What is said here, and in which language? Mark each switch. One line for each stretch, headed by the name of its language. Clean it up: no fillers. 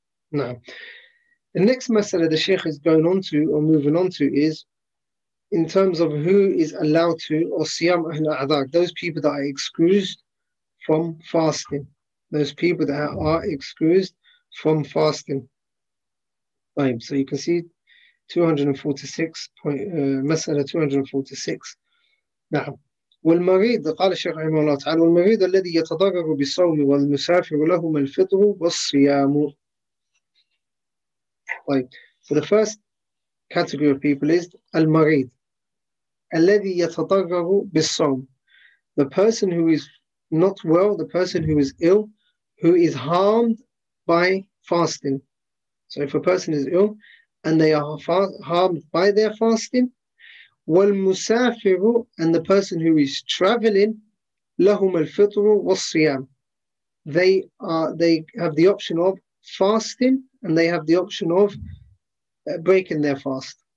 English: Now, the next masala the Sheikh is going on to, or moving on to, is in terms of who is allowed to, or siyam ahl al-adhaq, those people that are excused from fasting. Those people that are excused from fasting. So you can see 246 point, مسألة 246. نعم.
Arabic: والمريض قال الشيخ رحمه الله تعالى والمريض الذي يتضرر بالصوم والمسافر لهما الفطر والصيام. طيب.
English: So the first category of people is
Arabic: المريض الذي يتضرر بالصوم.
English: The person who is not well, the person who is ill, who is harmed by fasting. So if a person is ill and they are harmed by their fasting,
Arabic: وَالْمُسَافِرُ,
English: and the person who is traveling,
Arabic: لَهُمَ الْفِطْرُ وَالصِّيَامُ,
English: they have the option of fasting and they have the option of breaking their fast.